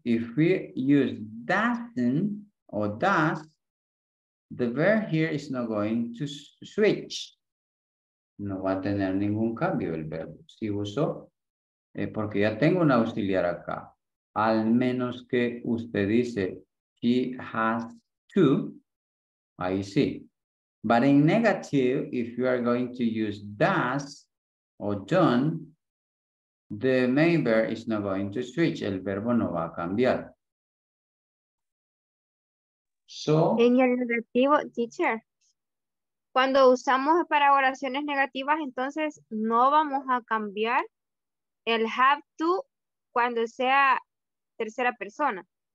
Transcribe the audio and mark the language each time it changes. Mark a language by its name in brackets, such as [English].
[English] If we use doesn't or does, the verb here is not going to switch. [Spanish] No va a tener ningún cambio el verbo. Si uso, porque ya tengo un auxiliar acá. Al menos que usted dice, he has to, ahí sí. [English] But in negative, if you are going to use does or don't, the main verb is not going to switch. [Spanish] El verbo no va a cambiar. [English] So, [Spanish] en el negativo, teacher, cuando usamos para oraciones negativas, entonces no vamos a cambiar el have to cuando sea tercera persona.